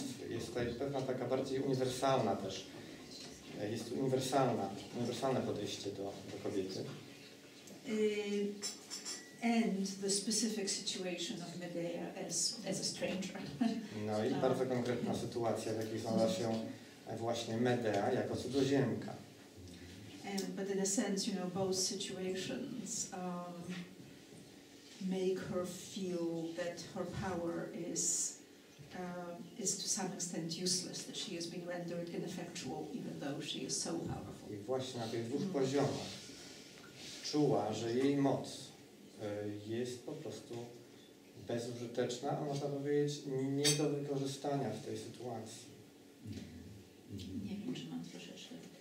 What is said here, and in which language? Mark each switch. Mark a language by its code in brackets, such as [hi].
[pl] Jest tutaj pewna taka bardziej uniwersalna też. Jest tu uniwersalne podejście do kobiety. [en] And the specific situation of Medea as a stranger. [pl] No i bardzo konkretna sytuacja, w jakiej znalazła się właśnie Medea jako cudzoziemka. [en] But in a sense, you know, both situations make her feel that her power is to some extent useless, that she has been rendered ineffectual, even though she is so powerful. [pl] I właśnie na tych dwóch poziomach czuła, że jej moc jest po prostu bezużyteczna, a można powiedzieć nie do wykorzystania w tej sytuacji. Nie wiem, czy mam troszeczkę.